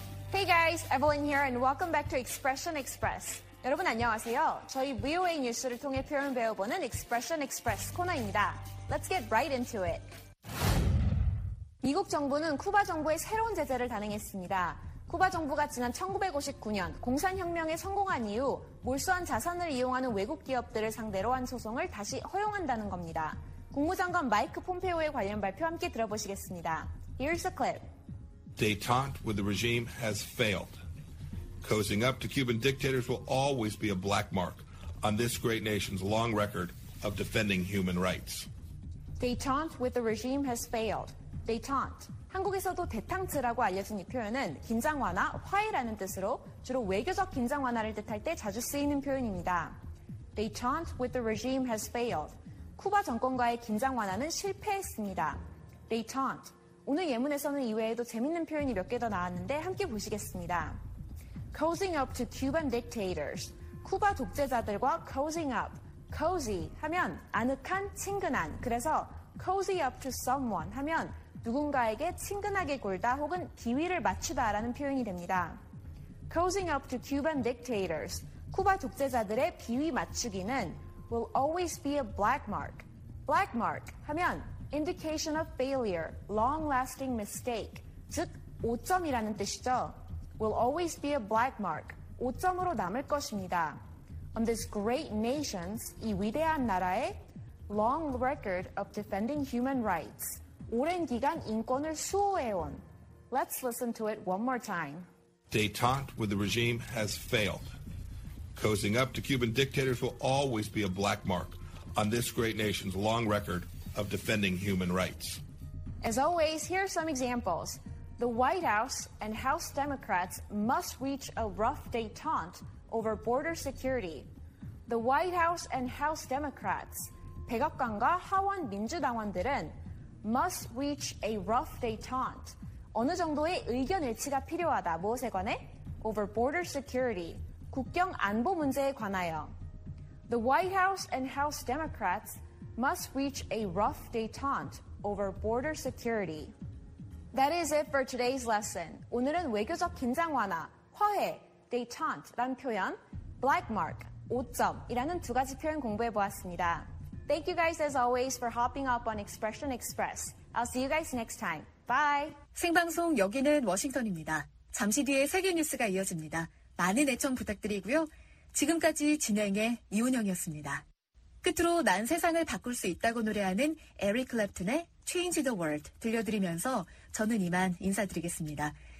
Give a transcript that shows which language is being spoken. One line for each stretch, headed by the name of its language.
English: 에벨린 here and welcome back to Expression Express.
Korean: 여러분 안녕하세요. 저희 VOA 뉴스를 통해 표현 배워보는 Expression Express 코너입니다.
English: Let's get right into it.
Korean: 미국 정부는 쿠바 정부에 새로운 제재를 단행했습니다. 쿠바 정부가 지난 1959년 공산혁명에 성공한 이후 몰수한 자산을 이용하는 외국 기업들을 상대로 한 소송을 다시 허용한다는 겁니다. 국무장관 마이크 폼페오의 관련 발표 함께 들어보시겠습니다.
English: Here's the clip. Détente with the regime has failed. Cozying up to Cuban dictators will always be a black mark on this great nation's long record of defending human rights. Détente with the regime has failed. Détente.
Korean: 한국에서도 대탕트라고 알려진 이 표현은 긴장 완화, 화해라는 뜻으로 주로 외교적 긴장 완화를 뜻할 때 자주 쓰이는 표현입니다.
English: Détente with the regime has failed.
Korean: 쿠바 정권과의 긴장 완화는 실패했습니다.
English: Détente.
Korean: 오늘 예문에서는 이외에도 재밌는 표현이 몇 개 더 나왔는데 함께 보시겠습니다.
English: Cozying up to Cuban dictators.
Korean: 쿠바 독재자들과
English: cozying up.
Korean: Cozy 하면 아늑한, 친근한. 그래서
English: cozy up to someone
Korean: 하면 누군가에게 친근하게 굴다 혹은 기위를 맞추다라는 표현이 됩니다.
English: Cozying up to Cuban dictators.
Korean: 쿠바 독재자들의 비위 맞추기는
English: will always be a black mark. Black mark 하면 indication of failure, long-lasting mistake,
Korean: 즉 오점이라는 뜻이죠.
English: will always be a black mark,
Korean: 오점으로 남을 것입니다.
English: on this great nation's,
Korean: 이 위대한 나라의
English: long record of defending human rights,
Korean: 오랜 기간 인권을 수호해온.
English: Let's listen to it one more time. Détente with the regime has failed. Cozying up to Cuban dictators will always be a black mark on this great nation's long record of defending human rights. As always, here are some examples. The White House and House Democrats must reach a rough détente over border security. The White House and House Democrats,
Korean: 백악관과 하원 민주당원들은
English: must reach a rough détente.
Korean: 어느 정도의 의견 일치가 필요하다. 무엇에 관해?
English: Over border security,
Korean: 국경 안보 문제에 관하여.
English: The White House and House Democrats must reach a rough détente over border security. That is it for today's lesson.
Korean: 오늘은 외교적 긴장 완화, 화해, détente라는 표현, black mark, 오점이라는 두 가지 표현 공부해보았습니다.
English: Thank you guys as always for hopping up on Expression Express. I'll see you guys next time. Bye!
Korean: 생방송 여기는 워싱턴입니다. 잠시 뒤에 세계 뉴스가 이어집니다. 많은 애청 부탁드리고요. 지금까지 진행해 이운영이었습니다. 끝으로 난 세상을 바꿀 수 있다고 노래하는 에릭 클랩튼의 Change the World 들려드리면서 저는 이만 인사드리겠습니다.